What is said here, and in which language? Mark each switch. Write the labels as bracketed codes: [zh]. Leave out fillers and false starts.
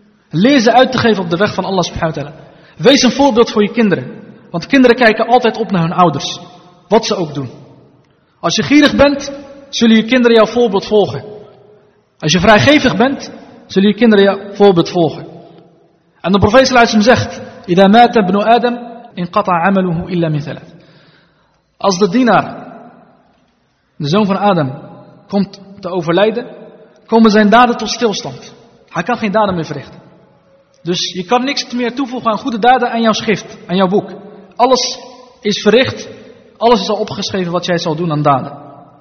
[nl] Leer ze uit te geven op de weg van Allah subhanahu wa ta'ala. Wees een voorbeeld voor je kinderen. Want kinderen kijken altijd op naar hun ouders. Wat ze ook doen. Als je gierig bent, zullen je kinderen jouw voorbeeld volgen. Als je vrijgevig bent, zullen je kinderen jouw voorbeeld volgen. En de profeet sallallahu alaihi wasallam zegt, [ar] إذا مات ابن آدم انقطع عمله إلا من ثلاث. [nl] Als de dienaar, de zoon van Adam, komt te overlijden, komen zijn daden tot stilstand. Hij kan geen daden meer verrichten. Dus je kan niks meer toevoegen aan goede daden aan jouw schrift, aan jouw boek. Alles is verricht, alles is al opgeschreven wat jij zal doen aan daden.